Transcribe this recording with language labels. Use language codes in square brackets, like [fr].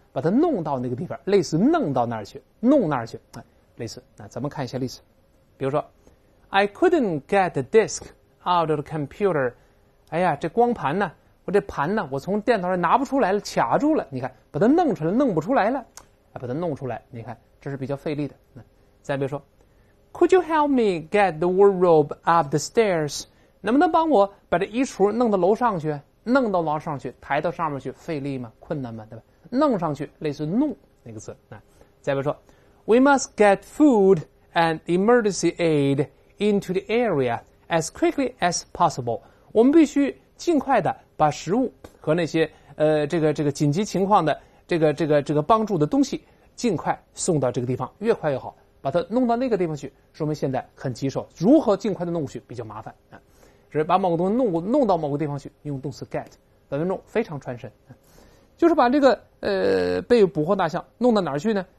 [zh] 把它弄到那个地方，类似弄到那儿去，弄那儿去，类似。那咱们看一下例子，比如说 ， [en] I couldn't get the disk out of the computer。 [zh] 哎呀，这光盘呢，我这盘呢，我从电脑上拿不出来了，卡住了。你看，把它弄出来，弄不出来了，把它弄出来，你看。这是比较费力的。再比如说 [en] Could you help me get the wardrobe up the stairs? [zh] 能不能帮我把这衣橱弄到楼上去，弄到楼上去，抬到上面去，费力吗？困难吗？对吧？弄上去类似弄那个字。再比如说 [en] We must get food and emergency aid into the area as quickly as possible. [zh] 我们必须尽快的把食物和那些这个紧急情况的这个帮助的东西尽快送到这个地方，越快越好，把它弄到那个地方去，说明现在很棘手，如何尽快的弄去比较麻烦。是把某个东西弄到某个地方去，用动词 get。本文中非常传神，就是把这个被捕获大象弄到哪儿去呢？